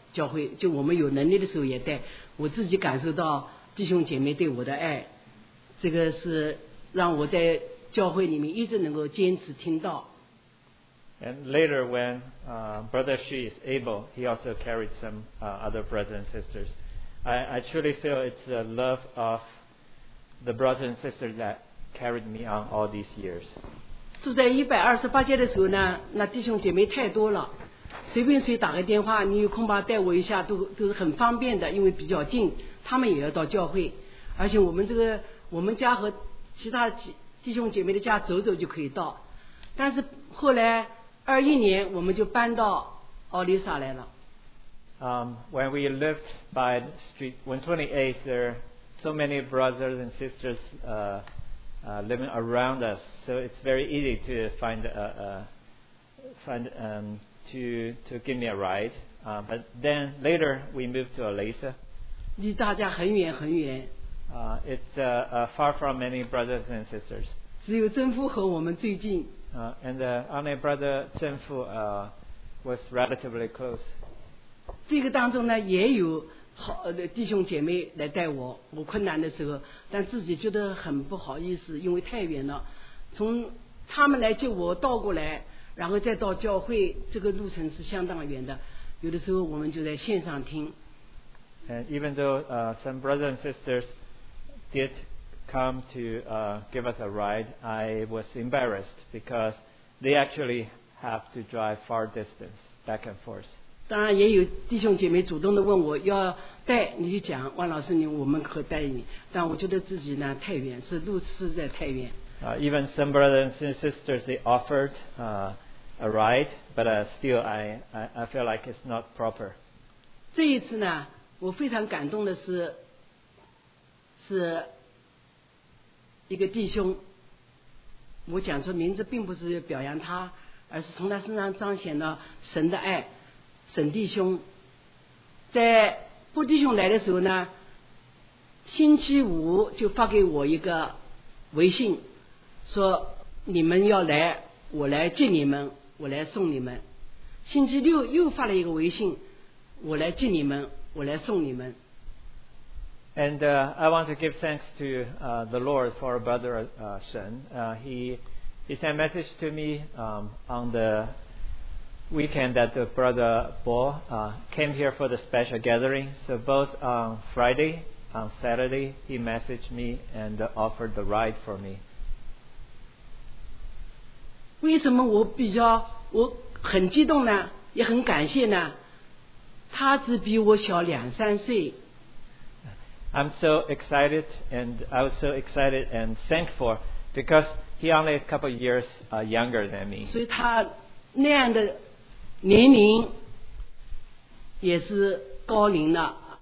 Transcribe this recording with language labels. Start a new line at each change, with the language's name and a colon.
Chinese: 教会就我们有能力的时候也带，我自己感受到弟兄姐妹对我的爱，这个是让我在教会里面一直能够坚持听到。
English: And later when Brother Xu is able, he also carried some other brothers and sisters. I truly feel it's the love of the brothers and sisters that carried me on all these years.
Chinese: 住在一百二十八街的时候呢，那弟兄姐妹太多了。随便谁打个电话，你有空吧带我一下，都是很方便的，因为比较近，他们也要到教会，而且我们这个我们家和其他弟兄姐妹的家走走就可以到。但是后来21年我们就搬到奥利萨来了。
English: When we lived by street 128, there are so many brothers and sisters living around us, so it's very easy to find to give me a ride, but then later we moved to Alisa.
Chinese: 离大家很远很远。
English: It's far from many brothers and sisters.
Chinese: 只有曾夫和我们最近。
English: And only brother 曾夫 was relatively close.
Chinese: 这个当中呢，也有好弟兄姐妹来带我，我困难的时候，但自己觉得很不好意思，因为太远了，从他们来接我倒过来，然后再到教会，这个路程是相当远的。有的时候我们就在线上听。
English: And even though some brothers and sisters did come to give us a ride, I was embarrassed because they actually have to drive far distance back and forth.
Chinese: 当然也有弟兄姐妹主动的问我要带，你就讲万老师你我们可带你，但我觉得自己呢太远，是路实在太远。
English: Even some brothers and sisters they offered a ride, but still I feel like it's not proper.
Chinese: 这一次呢，我非常感动的是一个弟兄，我讲出名字并不是表扬他，而是从他身上彰显了神的爱。沈弟兄在布弟兄来的时候呢，星期五就发给我一个微信，说你们要来，我来接你们，我来送你们。星期六又发了一个微信，我来接你们，我来送你们。
English: And I want to give thanks to the Lord for Brother Shen. He sent a message to me on the weekend that the Brother Bo came here for the special gathering. So both on Friday, on Saturday, he messaged me and offered the ride for me.
Chinese: 为什么我很激动呢？也很感谢呢？他只比我小两三岁。
English: I'm so excited and I was so excited and thankful because he only a couple of years younger than me.
Chinese: 所以他那样的年龄也是高龄了。